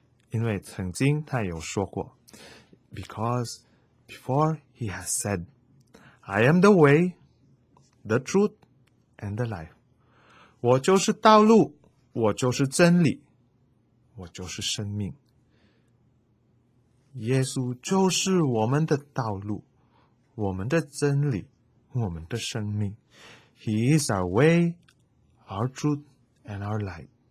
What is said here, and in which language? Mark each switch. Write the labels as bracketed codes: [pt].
[zh] 因为曾经他有说过 [en] Because,Before he has said, I am the way, the truth, and the life. [zh] 我就是道路，我就是真理，我就是生命。耶稣就是我们的道路，我们的真理，我们的生命。 [en] He is our way, our truth, and our life.